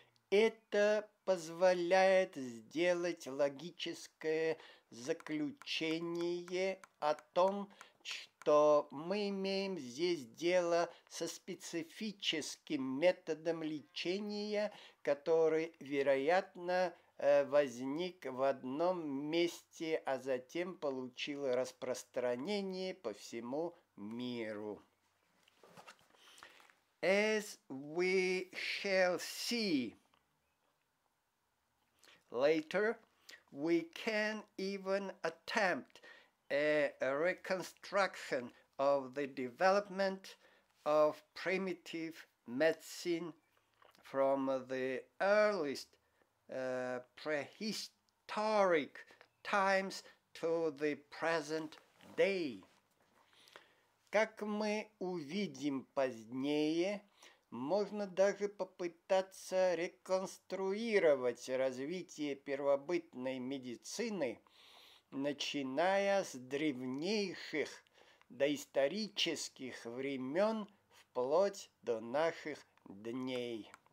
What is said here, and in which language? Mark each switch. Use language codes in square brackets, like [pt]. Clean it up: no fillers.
[ru] Это позволяет сделать логическое заключение о том, что мы имеем здесь дело со специфическим методом лечения, который, вероятно, возник в одном месте, а затем получил распространение по всему миру. [en] As we shall see later, we can even attempt a reconstruction of the development of primitive medicine from the earliest prehistoric times to the present day. [ru] Как мы увидим позднее, можно даже попытаться реконструировать развитие первобытной медицины, начиная с древнейших доисторических времен вплоть до наших дней.